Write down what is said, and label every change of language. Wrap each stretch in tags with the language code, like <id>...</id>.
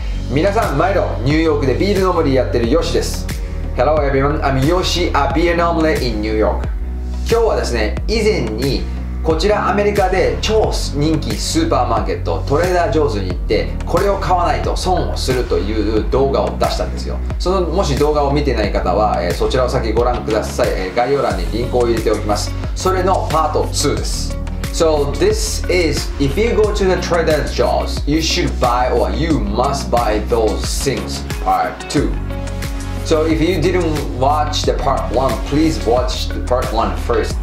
<ja>皆さん、マイロ、ニューヨークでビールノムリやってるヨシです。</ja> <en>Hello everyone, I'm Yoshi, a beer nomre in New York.</en> <ja>今日はですね、以前にこちらアメリカで超人気スーパーマーケットトレーダージョーズに行ってこれを買わないと損をするという動画を出したんですよ。そのもし動画を見てない方は、そちらを先ご覧ください。概要欄にリンクを入れておきます。それのパート2です。</ja> <en>So this is if you go to the Trader Joe's you should buy or you must buy those things part 2. So if you didn't watch the part 1 please watch the part 1 first.</en>